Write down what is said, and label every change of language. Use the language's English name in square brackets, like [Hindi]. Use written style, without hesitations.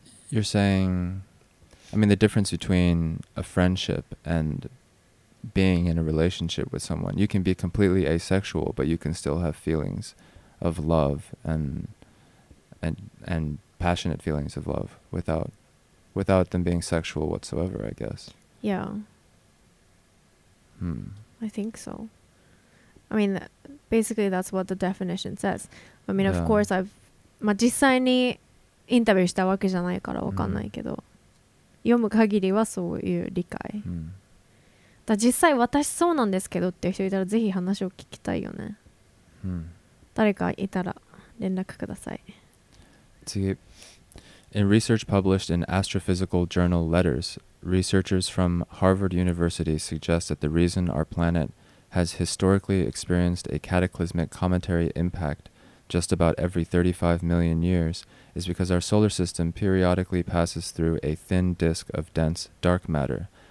[English] you're saying, I mean, the difference between a friendship and being in a relationship with someone, you can be completely asexual, but you can still have feelings of love and passionate feelings of love without them being sexual whatsoever, I guess. Yeah. I think so. I mean, basically that's what the definition says. I mean, of course, I've... [Japanese] まあ実際にインタビューしたわけじゃないからわかんないけど、読む限りはそういう理解。だ実際私そうなんですけどっていう人いたらぜひ話を聞きたいよね。誰かいたら連絡ください。次。 [English] In research published in Astrophysical Journal Letters, researchers from Harvard University suggest that the reason our planet has historically experienced a cataclysmic cometary impact just about every 35 million years is because our solar system periodically passes through a thin disk of dense dark matter.